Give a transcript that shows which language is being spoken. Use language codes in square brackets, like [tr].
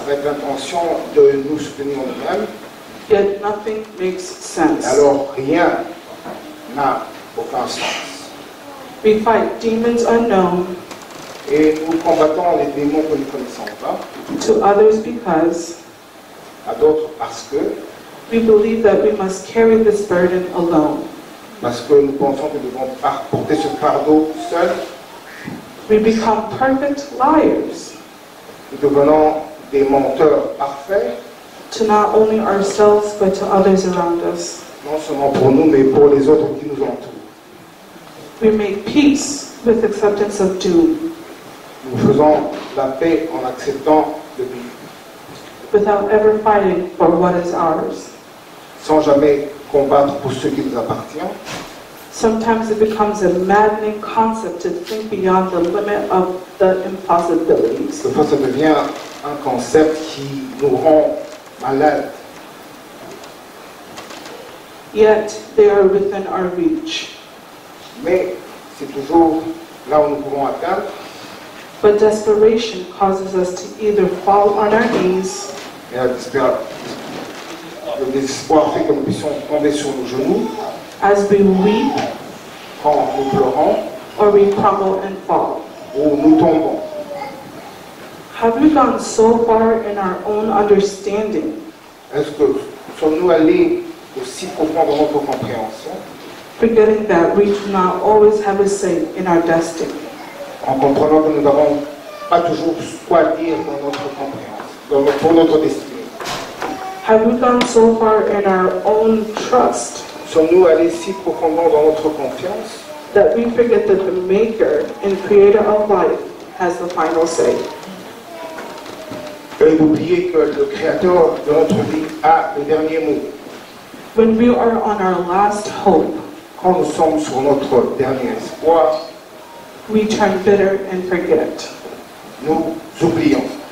[fr] Avec l'intention de nous soutenir nous-mêmes. [en] Yet nothing makes sense. [fr] Alors rien n'a aucun sens. [en] We fight demons unknown. [fr] Et nous combattons les démons que nous ne connaissons pas. [en] To others because. [fr] À d'autres parce que. [en] We believe that we must carry this burden alone. [fr] Parce que nous pensons que nous devons porter ce fardeau seul. [en] We become perfect liars. [fr] Nous devenons des menteurs parfaits. [en] To not only ourselves but to others around us. [fr] Non seulement pour nous mais pour les autres qui nous entourent. [en] We make peace with acceptance of doom. [fr] Nous faisons la paix en acceptant le but. [en] Without ever fighting for what is ours. [fr] Sans jamais combattre pour ce qui nous appartient. [en] Sometimes it becomes a maddening concept to think beyond the limit of the impossibilities. [fr] Parfois ça devient un concept qui nous rend malade. [en] Yet they are within our reach. [fr] Mais c'est toujours là où nous pouvons atteindre. [en] But desperation causes us to either fall on our knees. [fr] Le désespoir fait que nous puissions tomber sur nos genoux. [en] As we weep. [fr] Quand nous pleurons. [en] Or we crumble and fall. [fr] Ou nous tombons. [en] Have we gone so far in our own understanding? [fr] Est-ce que sommes-nous allés aussi profond dans notre compréhension? [en] Forgetting that we do not always have a say in our destiny. [fr] En comprenant que nous n'avons pas toujours quoi dire dans notre compréhension, pour notre destinée. [en] Have we gone so far in our own trust? [fr] Sommes-nous allés si profondément dans notre confiance? [en] That we forget that the Maker and Creator of life has the final say. [fr] Et oubliez que le Créateur de notre vie a le dernier mot. [en] When we are on our last hope, [fr] quand nous sommes sur notre dernier espoir, [en] we turn bitter and forget. [fr] Nous oublions.